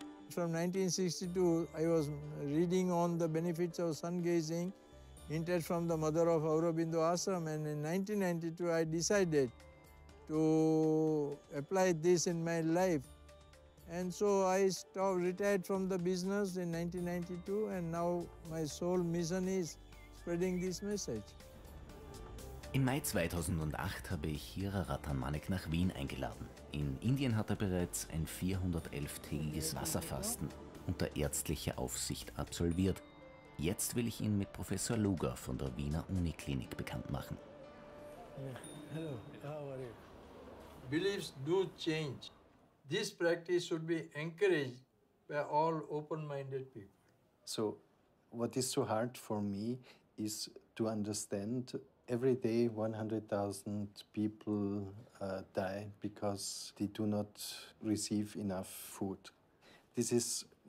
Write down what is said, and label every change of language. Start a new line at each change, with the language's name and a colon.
English: From 1962, I was reading on the benefits of sun gazing, hinted from the mother of Aurobindo Ashram, and in 1992, I decided to apply this in my life. And so I retired from the business in 1992, and now my sole mission is spreading this message.
German: Im Mai 2008 habe ich Hiraratan Manek nach Wien eingeladen. In Indien hat er bereits ein 411-tägiges Wasserfasten unter ärztlicher Aufsicht absolviert. Jetzt will ich ihn mit Professor Luger von der Wiener Uniklinik bekannt machen.
English: Yeah. Hello, how are you? Beliefs do change. This practice should be encouraged by all open-minded people. So what is so hard for me is to understand every day 100,000 people die because they do not receive enough food. This is